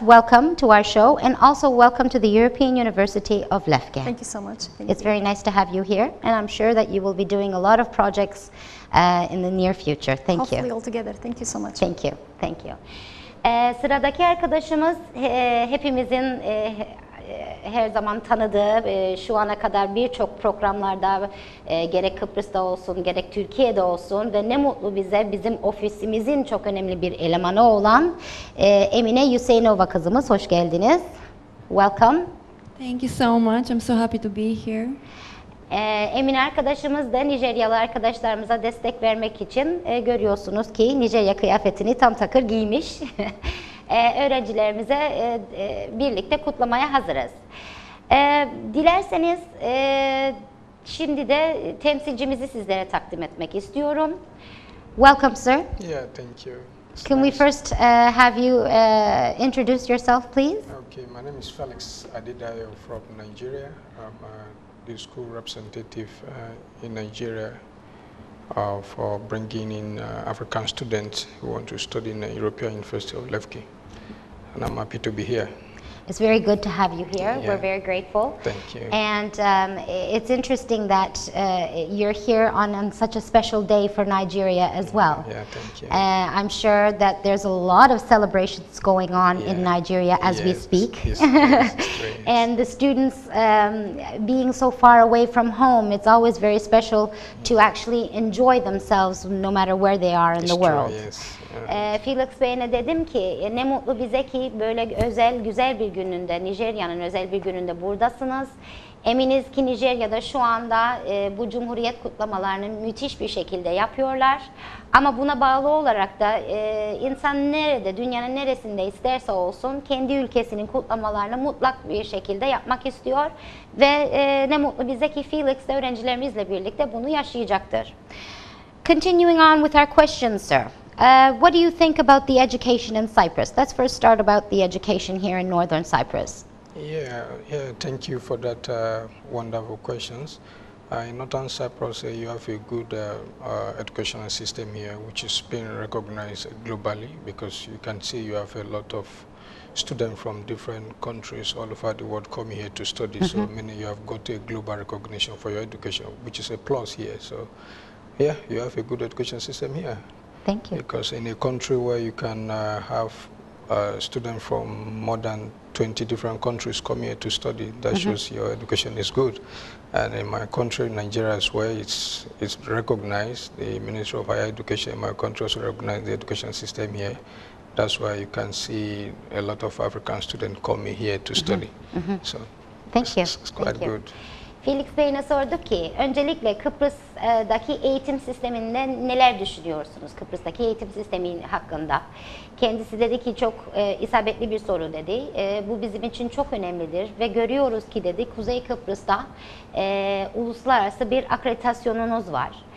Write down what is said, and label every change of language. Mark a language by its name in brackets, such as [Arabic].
[English] Welcome to our show and also welcome to the European University of LEFKE. Thank you so much. It's very nice to have you here and I'm sure that you will be doing a lot of projects in the near future. Thank you. Hopefully all together. Thank you so much. Thank you. Thank you. [Turkish] Sıradaki arkadaşımız hepimizin her zaman tanıdığı, şu ana kadar birçok programlarda gerek Kıbrıs'ta olsun gerek Türkiye'de olsun ve ne mutlu bize bizim ofisimizin çok önemli bir elemanı olan Emine Hüseynova kızımız. Hoş geldiniz. [English] Welcome. Thank you so much. I'm so happy to be here. [Turkish] Emine arkadaşımız da Nijeryalı arkadaşlarımıza destek vermek için görüyorsunuz ki Nijerya kıyafetini tam takır giymiş. Öğrencilerimize birlikte kutlamaya hazırız. Dilerseniz şimdi de temsilcimizi sizlere takdim etmek istiyorum. [English] Welcome, sir. Yeah, thank you. It's Can nice. We first have you introduce yourself, please? Okay, my name is Felix Adedayo from Nigeria. I'm the school representative in Nigeria for bringing in African students who want to study in the European University of LEFKE. And I'm happy to be here. It's very good to have you here. Yeah. We're very grateful. Thank you. And it's interesting that you're here on such a special day for Nigeria as well. Yeah, thank you. I'm sure that there's a lot of celebrations going on in Nigeria as we speak. It's and the students being so far away from home, it's always very special to actually enjoy themselves no matter where they are in it's the world. True, yes. [Turkish] Felix Bey'ine dedim ki ne mutlu bize ki böyle özel güzel bir gününde Nijerya'nın özel bir gününde buradasınız. Eminiz ki Nijerya'da şu anda bu cumhuriyet kutlamalarını müthiş bir şekilde yapıyorlar. Ama buna bağlı olarak da insan nerede, dünyanın neresinde isterse olsun kendi ülkesinin kutlamalarını mutlak bir şekilde yapmak istiyor. Ve ne mutlu bize ki Felix de öğrencilerimizle birlikte bunu yaşayacaktır. [English] Continuing on with our questions, sir. What do you think about the education in Cyprus? Let's first start about the education here in Northern Cyprus. Yeah. Thank you for that wonderful questions. In Northern Cyprus, you have a good educational system here, which has been recognized globally because you can see you have a lot of students from different countries all over the world come here to study. Mm-hmm. So meaning you have got a global recognition for your education, which is a plus here. So yeah, you have a good education system here. Thank you. Because in a country where you can have students from more than 20 different countries come here to study, that mm-hmm. shows your education is good. And in my country, Nigeria, as well, it's recognized. The Ministry of Higher Education in my country also recognized the education system here. That's why you can see a lot of African students coming here to study. Mm-hmm. So, thank you. It's quite thank good. You. [Turkish] Felix Bey'ine sorduk ki, öncelikle Kıbrıs'daki eğitim sisteminde neler düşünüyorsunuz Kıbrıs'taki eğitim sistemi hakkında? Kendisi dedi ki çok isabetli bir soru dedi. Bu bizim için çok önemlidir ve görüyoruz ki dedi Kuzey Kıbrıs'ta uluslararası bir akreditasyonunuz var.